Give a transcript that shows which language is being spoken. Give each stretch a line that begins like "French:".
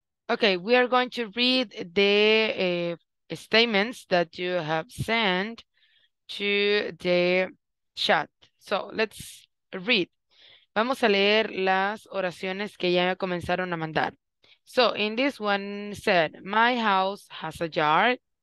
English: Okay, we are going to read the statements that you have sent to the chat. So let's read.
Spanish: Vamos a leer las oraciones que ya comenzaron a mandar.
English: So in this one said, my house has a yard.